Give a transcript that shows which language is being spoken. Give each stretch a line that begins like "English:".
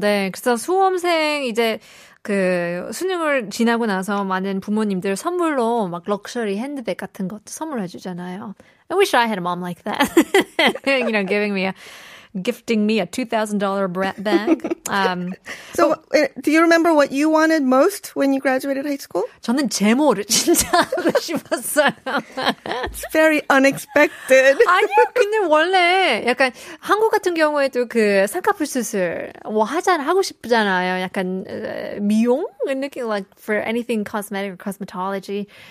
Korean: 네, 그래서 수험생 이제 그 수능을 지나고 나서 많은 부모님들 선물로 막 럭셔리 핸드백 같은 것도 선물해 주잖아요.
English: I wish I had a mom like that. You know, gifting me a $2,000 bag. So, do you remember what you wanted most when you graduated high school?
Korean: 저는 제모를 진짜 하고 싶었어요.
English: It's very unexpected.
Korean: 아니요, 근데 원래 약간 한국 같은 경우에도 그 쌍꺼풀 수술 뭐 하잖아 하고 싶잖아요. 약간 미용 느낌
English: like for anything cosmetic or cosmetology.